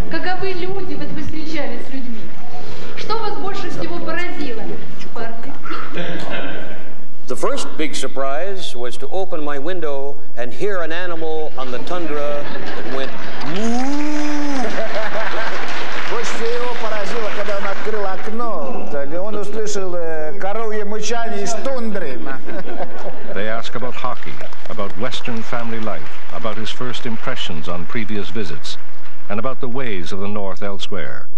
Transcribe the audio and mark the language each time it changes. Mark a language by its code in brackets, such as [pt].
[ru] Каковы люди, вот вы встречались с людьми? Что вас больше всего поразило? [en] The first big surprise was to open my window and hear an animal on the tundra that went [ru] Больше всего поразило, когда он открыл окно, он услышал коровье мычание из тундры. [en] They ask about hockey, about Western family life, about his first impressions on previous visits, and about the ways of the North elsewhere.